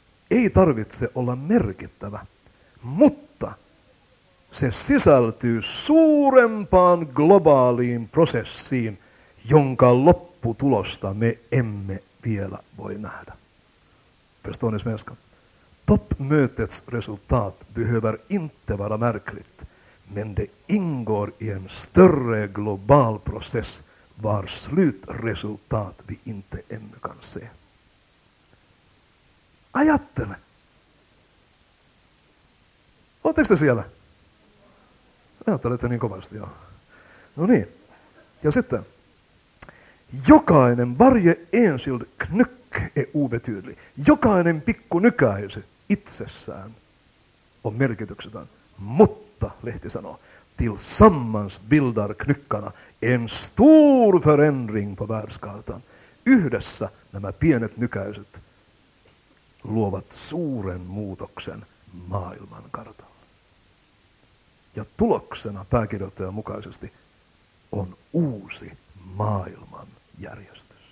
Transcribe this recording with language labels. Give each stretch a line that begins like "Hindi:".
Finnish: ei tarvitse olla merkittävä, mutta se sisältyy suurempaan globaaliin prosessiin, jonka lopputulosta me emme vielä voi nähdä.
Swedish: Förstående svenska. Toppmötets resultat behöver inte vara märkligt, men det ingår i en större global process vars slutresultat vi inte ännu kan se.
Finnish: Ajattele. Oletteko te siellä? Ajattelette niin kovasti, joo. No niin. Ja sitten. Jokainen,
Swedish: varje enskild knyck är obetydlig.
Finnish: Jokainen pikku nykäisy itsessään on merkityksetön. Mutta, lehti sanoo,
Swedish: tillsammans bildar knyckarna en stor förändring på världskartan.
Finnish: Yhdessä nämä pienet nykäiset luovat suuren muutoksen maailmankartalla. Ja tuloksena pääkirjoittajan mukaisesti on uusi maailman järjestys.